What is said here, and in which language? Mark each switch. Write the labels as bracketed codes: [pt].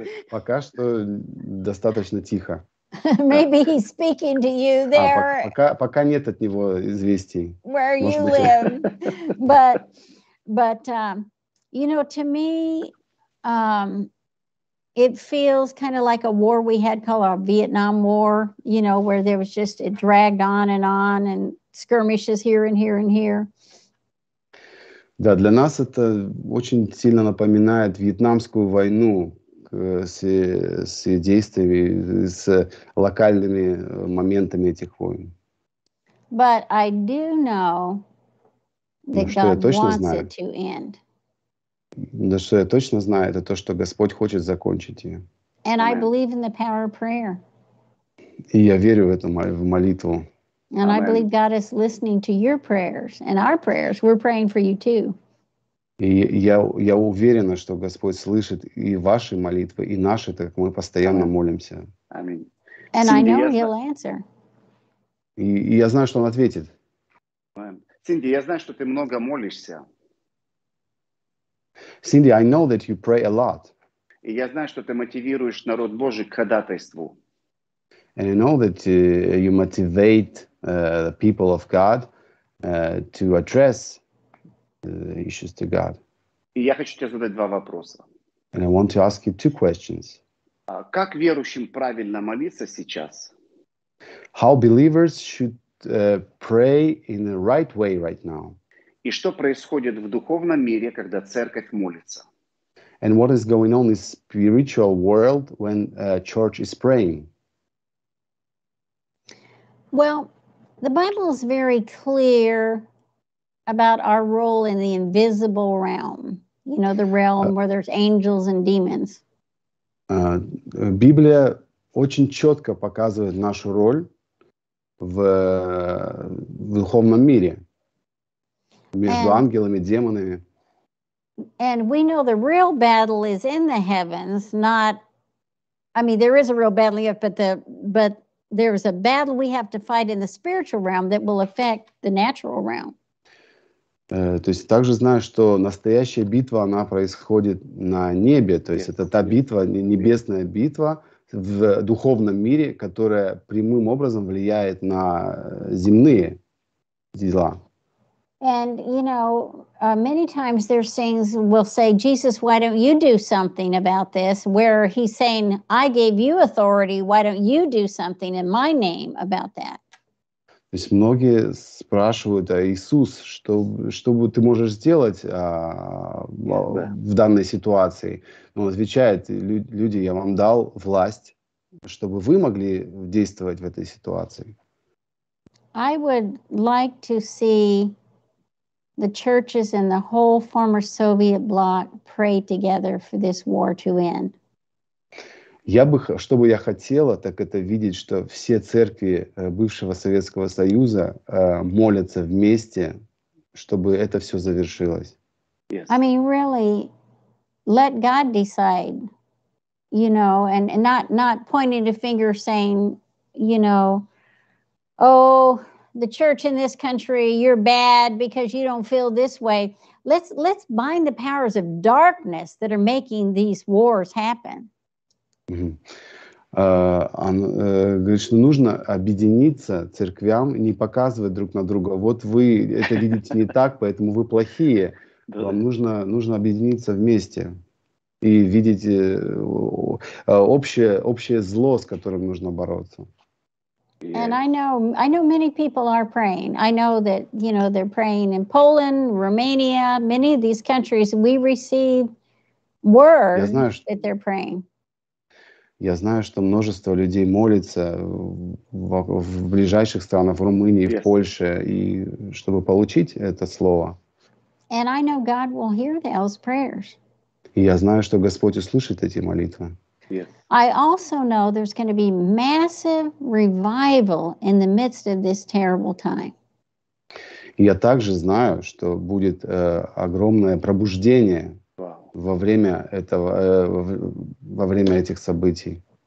[ru] Пока что достаточно тихо. [en] Maybe he's speaking to you there. [ru] Пока нет от него известий. [en] Where you live. But you know, to me, it feels kind of like a war we had called our Vietnam War, you know, where there was just, it dragged on and skirmishes here and here and here. [ru] Да, для нас это очень сильно напоминает Вьетнамскую войну с действиями, с локальными моментами этих войн. [en] But I do know that God wants it to end. [ru] Но что я точно знаю, это то, что Господь хочет закончить ее. [en] And I believe in the power of prayer. [ru] И я верю в эту в молитву. [en] And I believe God is listening to your prayers and our prayers. We're praying for you too. [ru] И я уверена, что Господь слышит и ваши молитвы, и наши, так как мы постоянно молимся. Аминь. [en] And I know he'll answer. [ru] И я знаю, что он ответит. Синди, я знаю, что ты много молишься. [en] Cindy, I know that you pray a lot. [ru] И я знаю, что ты мотивируешь народ Божий к ходатайству. [en] And I know that you motivate the people of God to address issues to God. [ru] И я хочу тебе задать два вопроса. [en] And I want to ask you two questions. [ru] Как верующим правильно молиться сейчас? [en] How believers should pray in the right way right now? [ru] И что происходит в духовном мире, когда церковь молится? [en] And what is going on in the spiritual world when a church is praying? Well, the Bible is very clear about our role in the invisible realm. You know, the realm where there's angels and demons. [ru] Библия очень четко показывает нашу роль в духовном мире. Между ангелами, демонами. [en] And we know the real battle is in the heavens, not, I mean, there is a real battle, but there is a battle we have to fight in the spiritual realm that will affect the natural realm. [ru] То есть также знаю, что настоящая битва, она происходит на небе. То есть это та битва, небесная битва в духовном мире, которая прямым образом влияет на земные дела. [en] And, you know, many times there's things we'll say, Jesus, why don't you do something about this? Where he's saying, I gave you authority, why don't you do something in my name about that? [ru] То есть многие спрашивают, а Иисус, что бы ты можешь сделать в данной ситуации? Он отвечает, люди, я вам дал власть, чтобы вы могли действовать в этой ситуации. [en] I would like to see the churches and the whole former Soviet bloc pray together for this war to end. [ru] Чтобы я хотела, так это видеть, что все церкви бывшего Советского Союза молятся вместе, чтобы это все завершилось. [en] Yes. I mean, really, let God decide, you know, and not pointing a finger saying, you know, oh, the church in this country, you're bad because you don't feel this way. Let's bind the powers of darkness that are making these wars happen. Mm-hmm. [ru] Говорит, что нужно объединиться церквям, не показывать друг на друга. Вот вы это видите не так, поэтому вы плохие. Вам нужно объединиться вместе и видеть общее зло, с которым нужно бороться. [en] Yes. And I know many people are praying. I know that, you know, they're praying in Poland, Romania, many of these countries. We receive word that they're praying. [ru] Я знаю, что множество людей молится в ближайших странах, в Румынии, [en] yes. [ru] в Польше, и чтобы получить это слово. [en] And I know God will hear those prayers. [ru] И я знаю, что Господь услышит эти молитвы. [en] Yeah. I also know there's going to be massive revival in the midst of this terrible time. [ru] Я также знаю, что будет огромное пробуждение во время этого во время этих событий.